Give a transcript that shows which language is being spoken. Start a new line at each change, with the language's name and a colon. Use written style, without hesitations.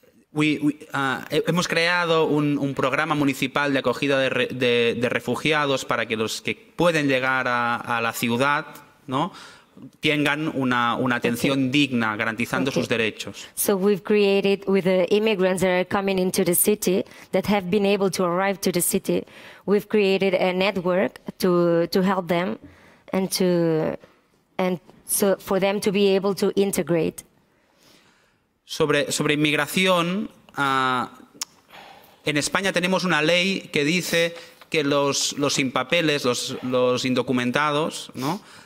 Spanish: Hemos creado un programa municipal de acogida de refugiados para que los que pueden llegar a la ciudad, ¿no?, tengan una atención digna, garantizando sus derechos.
English: So we've created with the immigrants that are coming into the city, that have been able to arrive to the city, we've created a network to help them and to and so for them to be able to integrate.
Spanish: Sobre inmigración, en España tenemos una ley que dice que los sin papeles, los indocumentados, ¿no?